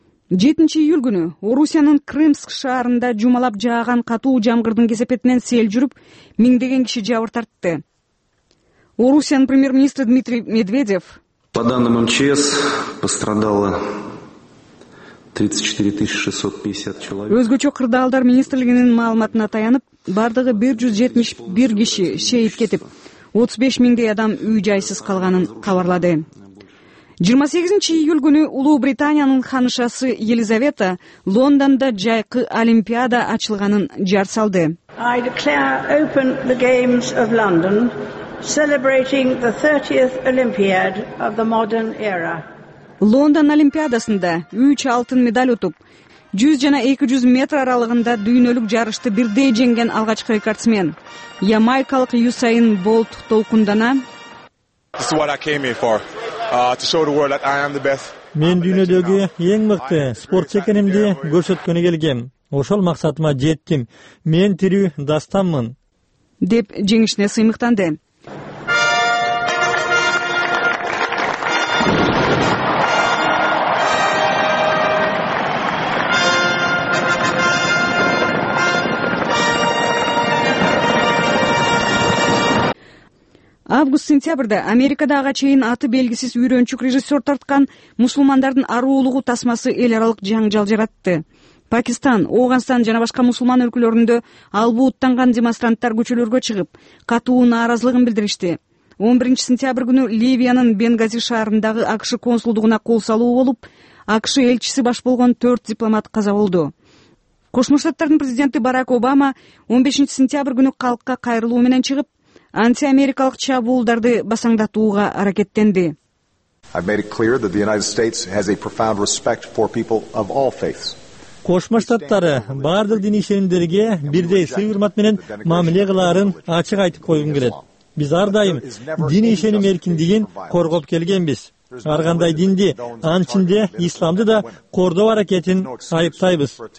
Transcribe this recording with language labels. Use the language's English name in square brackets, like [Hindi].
[Kyrgyz] Жетинчи июль күнү Орусиянын Крымск шаарында жумалап жааган катуу жамгырдын кесепетинен сел жүрүп, миңдеген киши жабыр тартты. Орусиянын премьер-министри Дмитрий Медведев: [Russian] По данным МЧС пострадало 34650 человек. [Kyrgyz] Өзгөчө кырдаалдар министрлигинин маалыматына таянып, бардыгы 171 киши шейит кетип, 35,000 адам үй жайсыз калганын кабарлады. 28 июль күнү Улуу Британиянын ханышасы Елизавета Лондондо жайкы олимпиада ачылганын жар салды. [English] I declare open the games of London, celebrating the 30th Olympiad of the modern era. [Kyrgyz] Лондон олимпиадасында 3 алтын медаль утуп, 100 жана 200 метр аралыгында дүйнөлүк жарышты бирдей жеңген алгачкы рекордсмен ямайкалык Юсайн Болт толкундана: [English] This is what I came here for. To show the world that I am the best. [Kyrgyz] Мен дүйнөдөгү эң мыкты спортчу экенимди көрсөткөнү келгем. Ошол максатыма жеттим. Мен тирүү дастанмын. Деп жеңишине сыймыктанды. А Август-сентябрда Америкадагы чейин аты белгисиз үйрөнчүк режиссер тарткан мусулмандардын аруулугу тасмасы эл аралык жаңжал жаратты. Пакистан, Ооганстан жана башка мусулман өлкөлөрүндө албууттанган демонстранттар көчөлөргө чыгып, катуу нааразылыгын билдиришти. 11 сентябрь күнү Ливиянын Бенгази шаарындагы АКШ консулдугуна кол салуу болуп, АКШ элчиси баш болгон 4 дипломат каза болду. Кошмо Штаттардын президенти Барак Обама 15 сентябрь күнү калкка кайрылуу менен чыгып, антиамерикалык чабуулдарды басаңдатууга аракеттенди. [English] I've made it clear that the United States has a profound respect for people of all faiths. [Kyrgyz] Кошмо Штаттары баардык диний ишенимдерге бирдей сый урмат менен мамиле кылаарын ачык айтып койгум келет. Биз ар дайым диний ишеним эркиндигин коргоп келгенбиз. Ар кандай динди, анын ичинде исламды да кордоо аракетин айыптайбыз.